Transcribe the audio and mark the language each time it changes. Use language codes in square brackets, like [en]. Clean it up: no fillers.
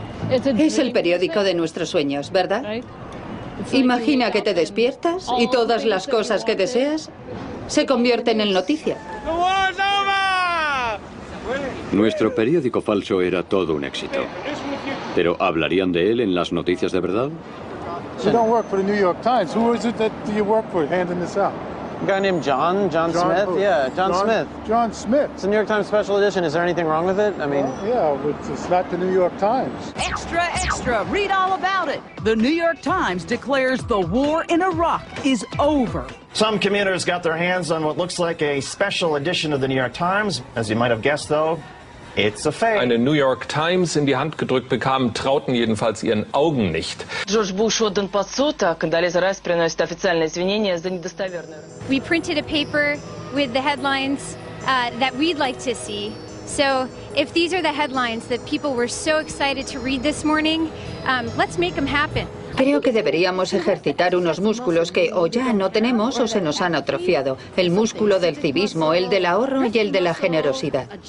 [es] Es el periódico de nuestros sueños, ¿verdad? Imagina que te despiertas y todas las cosas que deseas se convierten en noticia. Nuestro periódico falso era todo un éxito. ¿Pero hablarían de él en las noticias de verdad? [en] You don't work for the New York Times. Who is it that you work for handing this out? A guy named John Smith. Who? Yeah, John Smith. John Smith. It's a New York Times special edition. Is there anything wrong with it? I mean, it's not the New York Times. Extra, extra. Read all about it. The New York Times declares the war in Iraq is over. Some commuters got their hands on what looks like a special edition of the New York Times. As you might have guessed, though, it's a fake. [de] Eine New York Times in die Hand gedrückt bekamen, trauten jedenfalls ihren Augen nicht. [ru] George Bush отдан под суд, а Кандализа Райс приносит официальное извинение за недостоверное. [en] We printed a paper with the headlines that we'd like to see. So if these are the headlines that people were so excited to read this morning, let's make them happen. [es] Creo que deberíamos ejercitar unos músculos que o ya no tenemos o se nos han atrofiado. El músculo del civismo, el del ahorro y el de la generosidad.